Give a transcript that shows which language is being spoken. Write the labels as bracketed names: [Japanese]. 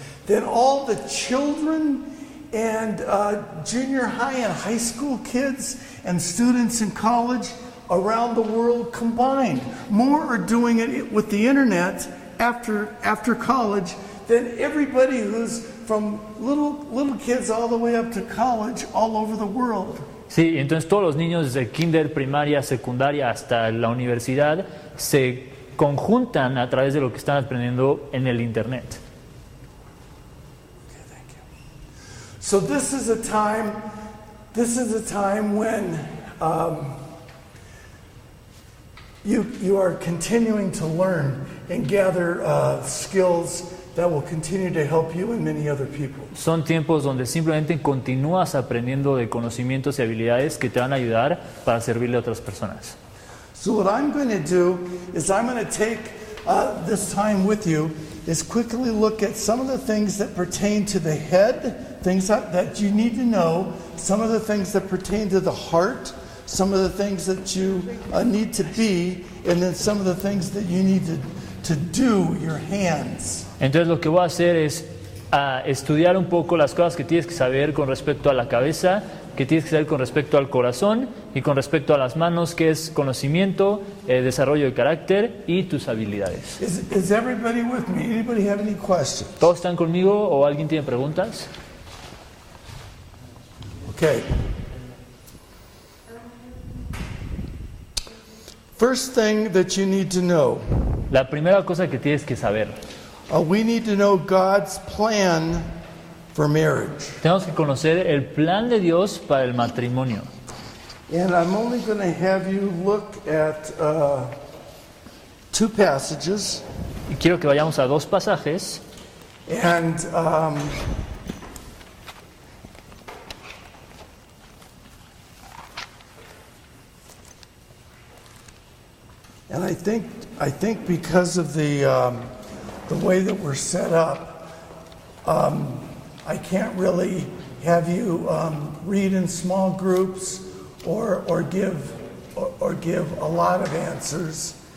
[English] Then all the children and junior high and high school kids and students in college around the world combined, more are doing it with the internet after college than everybody who's from little kids all the way up to college all over the world. [Spanish] Sí, entonces todos los niños desde kinder, primaria, secundaria hasta la universidad se conjuntan a través de lo que están aprendiendo en el internet. [English] Okay, thank you. So this is a time when you are continuing to learn and gather skills that will continue to help you and many other people. [Spanish] Son tiempos donde simplemente continúas aprendiendo de conocimientos y habilidades que te van a ayudar para servirle a otras personas. [English] So what I'm going to do is I'm going to take this time with you is quickly look at some of the things that pertain to the head, things that you need to know, some of the things that pertain to the heart, some of the things that you need to be, and then some of the things that you need to do, your hands. [Spanish] Entonces lo que voy a hacer es estudiar un poco las cosas que tienes que saber con respecto a la cabeza, que tienes que saber con respecto al corazón y con respecto a las manos, que es conocimiento, desarrollo de carácter y tus habilidades. [English] Is everybody with me? Anybody have any questions? [Spanish] ¿Todos están conmigo o alguien tiene preguntas? [English] Okay. First thing that you need to know. [Spanish] La primera cosa que tienes que saber. [English] We need to know God's plan for marriage. [Spanish] Tenemos que conocer el plan de Dios para el matrimonio. [English] And I'm only going to have you look at two passages. [Spanish] Y quiero que vayamos a dos pasajes. [English] And I think because of the way that we're set up, I can't really have you read in small groups or give a lot of answers.